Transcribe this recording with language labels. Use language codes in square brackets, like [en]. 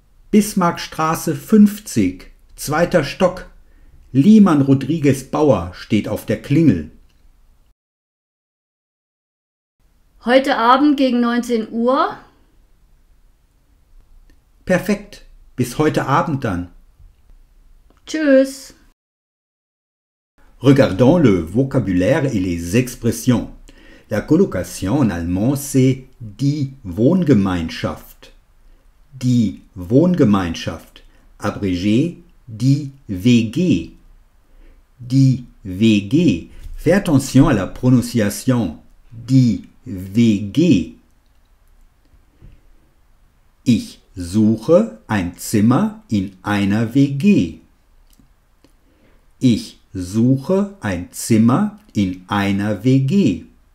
[de] Bismarckstraße 50, zweiter Stock. Liemann Rodriguez Bauer steht auf der Klingel. Heute Abend gegen 19 Uhr. Perfekt, bis heute Abend dann. Tschüss. [fr] Regardons le vocabulaire et les expressions. La colocation en allemand, c'est die Wohngemeinschaft. [de] Die Wohngemeinschaft, abrégé die WG. Die WG. [fr] Fais attention à la prononciation. [de] Die WG. Ich suche ein Zimmer in einer WG. Ich suche ein Zimmer in einer WG.